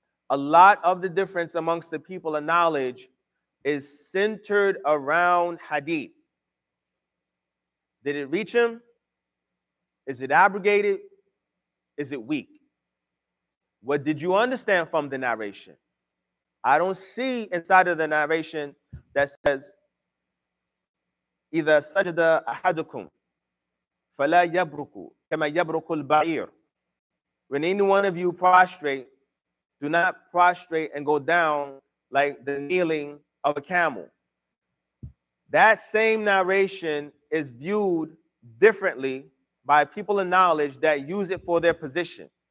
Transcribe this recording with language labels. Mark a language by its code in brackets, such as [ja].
[en] A lot of the difference amongst the people of knowledge is centered around hadith. Did it reach him? Is it abrogated? Is it weak? What did you understand from the narration? I don't see inside of the narration that says, [ar] إِذَا سَجَدَ أَحَدُكُمْ فَلَا يَبْرُكُ كَمَا يَبْرُكُ الْبَعِيرُ. [en] When any one of you prostrate, do not prostrate and go down like the kneeling of a camel. That same narration is viewed differently by people of knowledge that use it for their position.